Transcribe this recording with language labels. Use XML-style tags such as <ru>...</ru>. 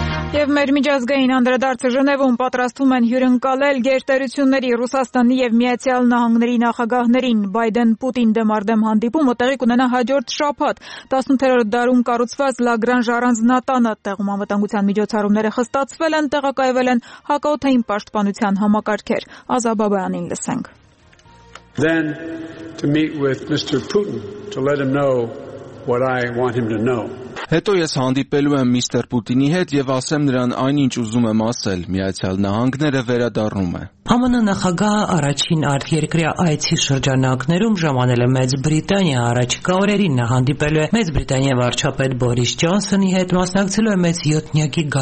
<hy>Եվ մեր միջազգային անդրադարձը Ժնևում պատրաստում են հյուրընկալել գերտերությունների Ռուսաստանի և Միացյալ Նահանգների նախագահներին։ Բայդեն-Պուտին դեմարդեմ հանդիպումը տեղի կունենա հաջորդ շաբաթ, 18-րդ դարում կառուցված Լագրանժ առանձնատանը։ Տեղում անվտանգության միջոցառումները խստացվել են, տեղակայվել են հակաօդային պաշտպանության համակարգեր։ Ազա Բաբայանին լսենք։</hy> <en>Then to meet with Mr. Putin to let him know what I want him to know.</en> <hy>Հետո ես հանդիպելու եմ միստեր Պուտինի հետ և ասեմ նրան այն, ինչ ուզում եմ ասել, Միացյալ Նահանգները վերադառնում է։ ԱՄՆ նախագահը առաջին արտերկրյա այցի շրջանակներում ժամանել է Մեծ Բրիտանիա, առաջիկա օրերին հանդիպելու է Մեծ Բրիտանիա վարչապետ Բորիս Ջոնսոնի հետ, մասնակցելու է Մեծ Յոթնյակի</hy>